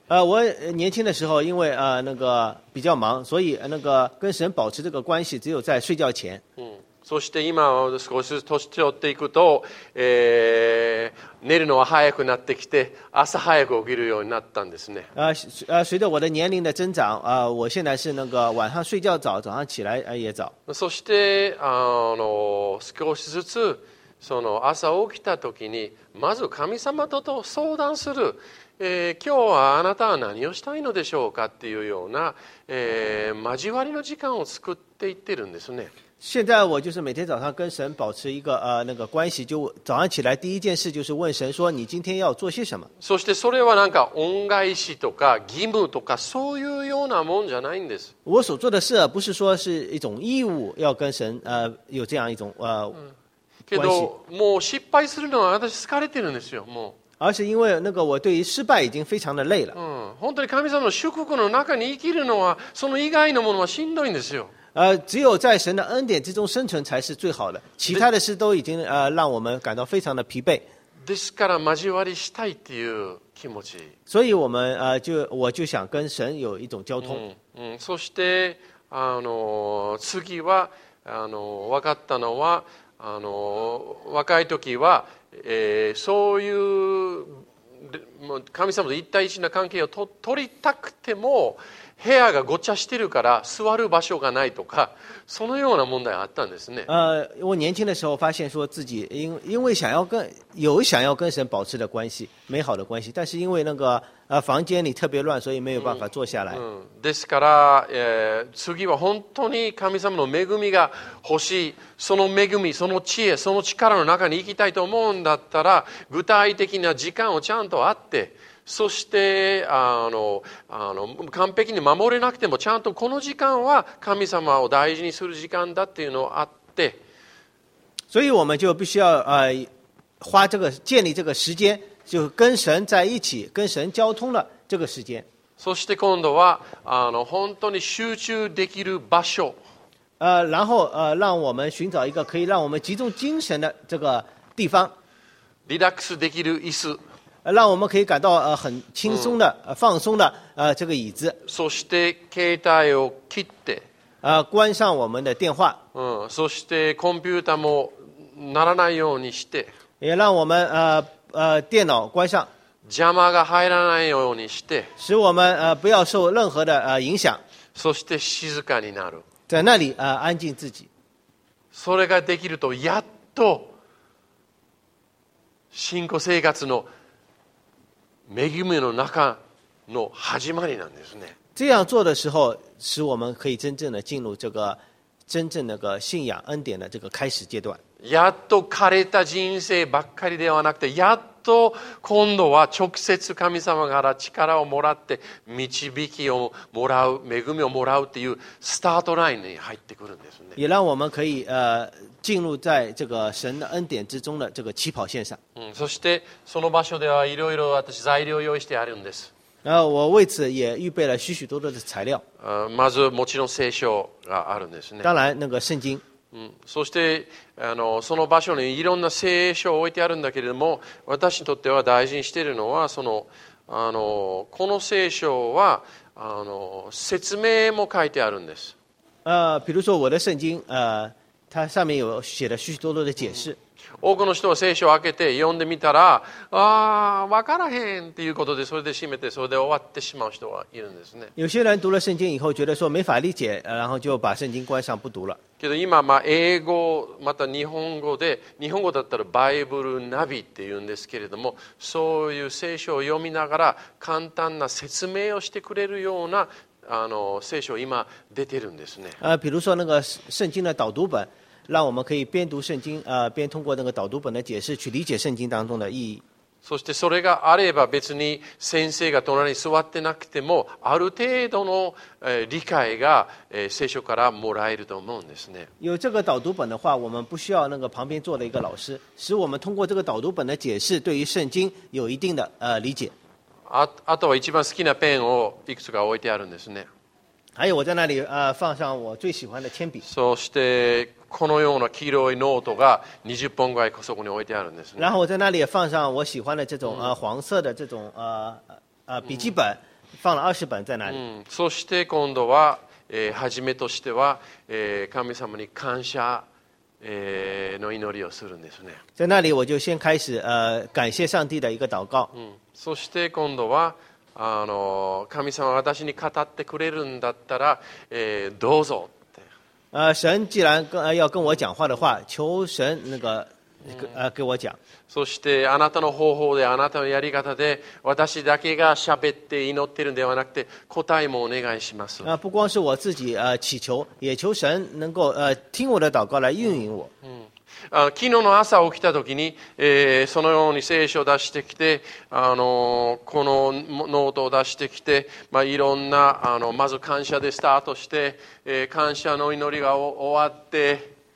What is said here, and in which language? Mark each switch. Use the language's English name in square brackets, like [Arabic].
[Chinese] 我年轻的时候，因为那个比较忙，所以那个跟神保持这个关系只有在睡觉前。 [Japanese] そして今少しずつ年取っていくと、寝るのは早くなってきて朝早く起きるようになったんですね。 [Chinese] 随着我的年龄的增长，我现在是那个晚上睡觉早，早上起来也早。 [Japanese] そして少しずつその朝起きた時にまず神様と相談する、今日はあなたは何をしたいのでしょうかっていうような、交わりの時間を作っていってるんですね。 [Chinese] 现在我就是每天早上跟神保持一个那个关系，就早上起来第一件事就是问神说你今天要做些什么。 [Japanese] そしてそれはなんか恩返しとか義務とかそういうようなもんじゃないんです。 [Chinese] 我所做的事不是说是一种义务要跟神有这样一种关系。 [Japanese] けどもう失敗するのは私疲れてるんですよもう。 [Chinese] 而且因为那个我对于失败已经非常的累了。 [Japanese] 本当に神様の祝福の中に生きるのはその以外のものはしんどいんですよ。 [Chinese] 只有在神的恩典之中生存才是最好的，其他的事都已经让我们感到非常的疲惫。 [Japanese] ですから交わりしたいっていう気持ち。 [Chinese] 所以我就想跟神有一种交通。 [Japanese] そしてあの次はあの分かったのはあの若い時は、そういう神様と一対一な関係を取りたくても。部屋がごちゃしてるから座る場所がないとかそのような問題があったんですね。 [Chinese] 我年轻的时候发现说自己因为想要跟有想要跟神保持的关系美好的关系，但是因为那个房间里特别乱，所以没有办法坐下来。 [Japanese] ですから、次は本当に神様の恵みが欲しい、その恵み、その知恵、その力の中に行きたいと思うんだったら具体的な時間をちゃんとあって。そしてあの完璧に守れなくてもちゃんとこの時間は神様を大事にする時間だっていうのがあって、 [Chinese] 所以我们就必须要花这个建立这个时间，就跟神在一起，跟神交通了这个时间。 [Japanese] そして今度はあの本当に集中できる場所。 [Chinese] 然后让我们寻找一个可以让我们集中精神的这个地方。 [Japanese] リラックスできる椅子。 [Chinese] 让我们可以感到很轻松的、放松的这个椅子。 [Japanese] そして携帯を切って、 [Chinese] 关上我们的电话。 [Japanese] そしてコンピューターも鳴らないようにして。 [Chinese] 也让我们电脑关上。 [Japanese] 邪魔が入らないようにして。 [Chinese] 使我们不要受任何的影响。 [Japanese] そして静かになる。 [Chinese] 在那里安静自己。 [Japanese] それができるとやっと信仰生活の恵みの中の始まりなんですね。 [Chinese] 这样做的时候，使我们可以真正的进入这个真正那个信仰恩典的这个开始阶段。 [Japanese] やっと枯れた人生ばっかりではなくて、やっと今度は直接神様から力をもらって導きをもらう恵みをもらうっていうスタートラインに入ってくるんですね。 [Chinese] 也让我们可以进入在这个神的恩典之中的这个起跑线上。 [Japanese] そしてその場所ではいろいろ私材料を用意してあるんです。 [Chinese] 我为此也预备了许许多多的材料。 [Japanese] まずもちろん聖書があるんですね。 [Chinese] 当然那个圣经。 [Japanese] そしてその場所にいろんな聖書を置いてあるんだけれども、私にとっては大事にしているのはこの聖書は説明も書いてあるんです。 [Chinese] 比如说我的圣经，它上面有写了许许多多的解释。 [Japanese] 多くの人は聖書を開けて読んでみたら、分からへんっていうことでそれで閉めてそれで終わってしまう人はいるんですね。 [Chinese] 有些人读了圣经以后觉得说没法理解，然后就把圣经关上不读了。 [Japanese] けど今まあ英語また日本語で日本語だったらバイブルナビって言うんですけれども、そういう聖書を読みながら簡単な説明をしてくれるような聖書今出てるんですね。 [Chinese] 比如说那个圣经的导读本。让我们可以边读圣经，边通过那个导读本的解释去理解圣经当中的意义。 [Japanese] そしてそれがあれば別に先生が隣に座ってなくてもある程度の理解が聖書からもらえると思うんですね。 [Chinese] 有这个导读本的话，我们不需要那个旁边坐的一个老师，使我们通过这个导读本的解释对于圣经有一定的理解。 [Japanese] あとは一番好きなペンをいくつか置いてあるんですね。 [Chinese] 还有我在那里放上我最喜欢的铅笔。 [Japanese] そしてこのような黄色いノートが20本ぐらいそこに置いてあるんですね。 [Chinese] 然后我在那里也放上我喜欢的这种黄色的这种笔记本，放了20本在那里。 [Japanese] そして今度は、初めとしては、神様に感謝、の祈りをするんですね。 [Chinese] 在那里我就先开始感谢上帝的一个祷告。 [Japanese] そして今度は神様が私に語ってくれるんだったら、どうぞ。 [Chinese] 神既然要跟我讲话的话，求神那个给我讲。 [Japanese] そしてあなたの方法で、あなたのやり方で、私だけが喋って祈ってるんではなくて、答えもお願いします。 [Chinese] 不光是我自己祈求，也求神能够听我的祷告来运营我。 [Japanese] 昨日の朝起きた時に、そのように聖書を出してきて、このノートを出してきて、まあ、いろんなまず感謝でスタートして、感謝の祈りが終わって、